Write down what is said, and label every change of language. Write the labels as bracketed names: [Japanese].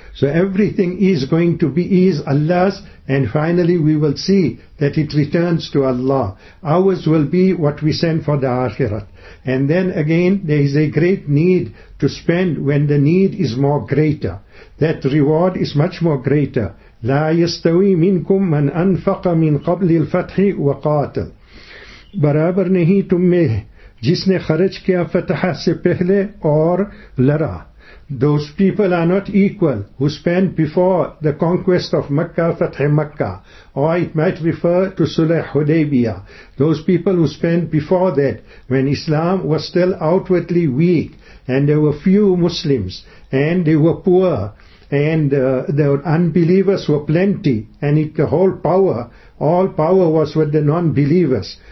[English] So everything is going to be is Allah's, and finally we will see that it returns to Allah. Ours will be what we send for the akhirat. And then again, there is a great need to spend when the need is more greater. That reward is much more greater. [Arabic] لا يستوي منكم من أنفق من قبل الفتح وقاتل. [Urdu] برابر نہیں تم میں جس نے خرج کیا فتح سے پہلے اور لرا. [English] Those people are not equal who spent before the conquest of Makkah, Fath Makkah. Or it might refer to Sulh Hudaybiyah. Those people who spent before that, when Islam was still outwardly weak, and there were few Muslims, and they were poor, and the unbelievers were plenty, and all power was with the non-believers.